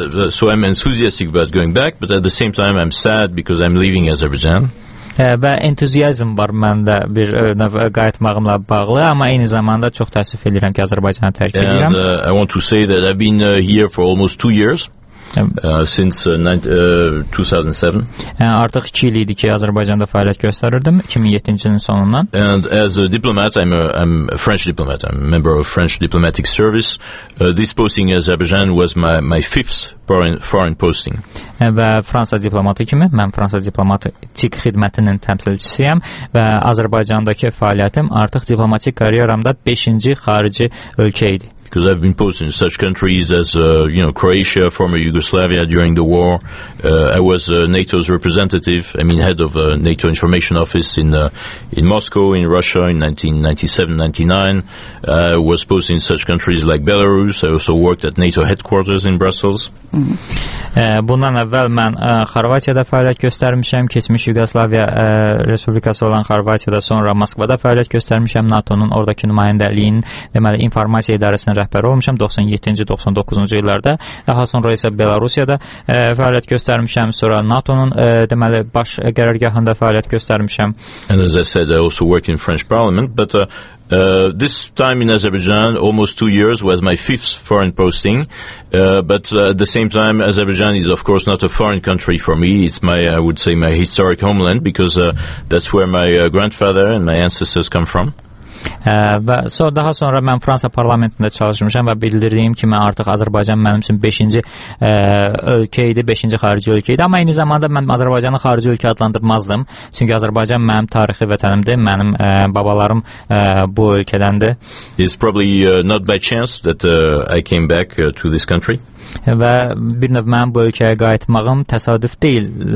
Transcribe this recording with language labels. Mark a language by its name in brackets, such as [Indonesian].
[English] So I'm enthusiastic about going back, but at the same time I'm sad because I'm leaving Azerbaijan. [Azerbaijani] Və entuziyazm var məndə bir növ qayıtmağımla bağlı, amma eyni zamanda çox təəssüf edirəm ki, Azərbaycanı tərk edirəm. [English] And I want to say that I've been here for almost 2 years, since 2007. [Azerbaijani] Artıq 2 il idi ki, Azərbaycanda fəaliyyət göstərirdim, 2007-ci ilin sonundan. [English] And as a diplomat, I'm a French diplomat, I'm a member of French diplomatic service. This posting in Azerbaijan was my fifth foreign posting. [Azerbaijani] Və Fransa diplomatı kimi, mən Fransa diplomatik xidmətinin təmsilçisiyəm və Azərbaycandakı fəaliyyətim artıq diplomatik kariyeramda 5-ci xarici ölkə idi. [English] Because I've been posted in such countries as, you know, Croatia, former Yugoslavia during the war. I was NATO's representative, I mean, head of NATO Information Office in Moscow, in Russia in 1997-99. I was posted in such countries like Belarus. I also worked at NATO headquarters in Brussels. [Azerbaijani] Bundan əvvəl mən Xorvatiyada fəaliyyət göstərmişəm, keçmiş Yugoslaviya Respublikası olan Xorvatiyada, sonra Moskvada fəaliyyət göstərmişəm, NATO-nun oradakı nümayəndəliyinin, deməli, informasiya idarəsinin rəhbəri olmuşam 97-99-cu illərdə, daha sonra isə Belarusiyada fəaliyyət göstərmişəm, sonra NATO-nun, deməli, baş qərargahında fəaliyyət göstərmişəm. [English] And as I said, I also work in French Parliament, but this time in Azerbaijan, almost 2 years, was my fifth foreign posting. But at the same time, Azerbaijan is, of course, not a foreign country for me. It's my, I would say, my historic homeland, because that's where my grandfather and my ancestors come from. [Azerbaijani] Daha sonra mən Fransa parlamentində çalışmışam və bildirdiyim ki, mən artıq Azərbaycan mənim üçün 5-ci ölkə idi, 5-ci xarici ölkə idi. Amma eyni zamanda mən Azərbaycanı xarici ölkə adlandırmazdım. Çünki Azərbaycan mənim tarixi vətənimdir, mənim babalarım bu ölkədəndir. [English] It's probably not by chance that I came back to this country. [Azerbaijani] Və bir növ mənim bu ölkəyə qayıtmağım təsadüf deyil.